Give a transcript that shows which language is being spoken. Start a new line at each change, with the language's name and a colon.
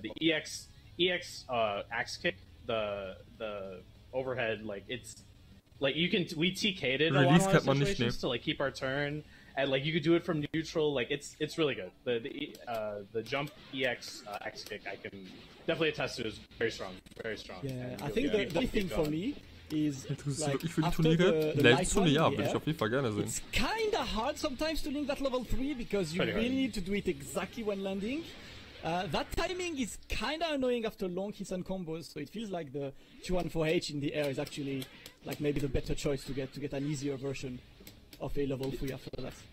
English: The EX axe kick, the overhead, like, it's like you can, we TK'd it release a lot of situations to, like, keep our turn, and, like, you could do it from neutral. Like, it's really good. The jump EX axe kick, I can definitely attest to, is very strong, very strong. Yeah, I think the only thing for me is,
German: like, für die Turniere, würde ich auf jeden Fall gerne sehen.
English: It's kinda hard sometimes to link that level 3 because you really need to do it exactly when landing. That timing is kinda annoying after long hits and combos, so it feels like the 214H in the air is actually, like, maybe the better choice to get an easier version of a level 3 after that.